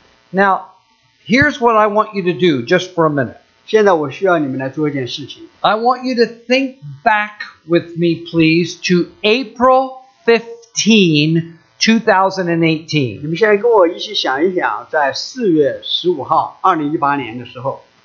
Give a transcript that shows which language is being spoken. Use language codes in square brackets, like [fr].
[en] Now, here's what I want you to do just for a minute. [zh] 现在我需要你们来做一件事情。 [en] I want you to think back with me, please, to April 15, 2018. [zh] 你们现在跟我一起想一想, 在4月15号, 2018年的时候,